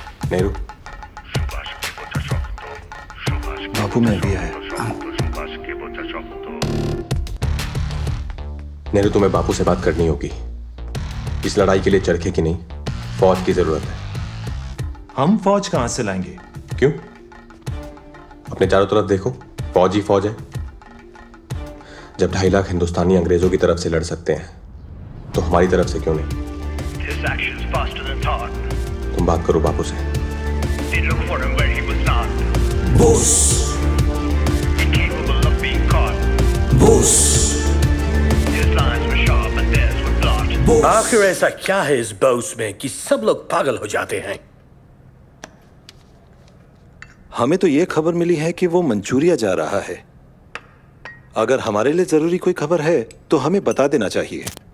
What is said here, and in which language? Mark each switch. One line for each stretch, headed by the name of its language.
Hindi: नेहरू, नेहरू, तुम्हें बापू से बात करनी होगी। इस लड़ाई के लिए चरखे की नहीं, फौज की जरूरत है। हम फौज कहां से लाएंगे? क्यों, अपने चारों तरफ देखो, फौज ही फौज है। जब 2.5 लाख हिंदुस्तानी अंग्रेजों की तरफ से लड़ सकते हैं तो हमारी तरफ से क्यों नहीं?
English: His actions faster than thought.
Hindi: तुम बात करो बापू से।
English: They look for him where he was not. Boss. Incapable of being caught. Boss. His lines were sharp and theirs were blunt. Boss.
Hindi: आखिर ऐसा क्या है इस बॉस में कि सब लोग पागल हो जाते हैं? हमें तो ये खबर मिली है कि वो मंचूरिया जा रहा है। अगर हमारे लिए जरूरी कोई खबर है तो हमें बता देना चाहिए।